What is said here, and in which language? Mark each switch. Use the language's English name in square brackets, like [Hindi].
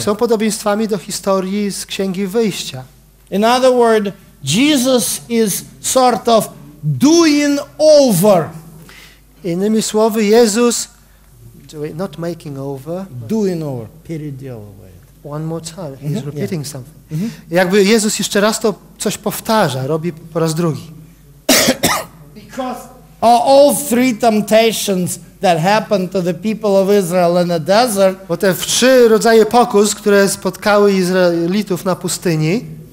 [Polish] Są podobieństwami do historii z Księgi Wyjścia. [English] In other words, Jesus is sort of doing over. [Polish] Innymi słowy, Jezus, [English] not making over. Doing over, peridial away. One more time, he's repeating something. Mm-hmm. [Polish] Jakby Jezus jeszcze raz to coś powtarza, robi po raz drugi. [English] Because all three temptations that happened to the people of Israel in the desert. [Polish] Bo te trzy rodzaje pokus, które spotkały Izraelitów na pustyni,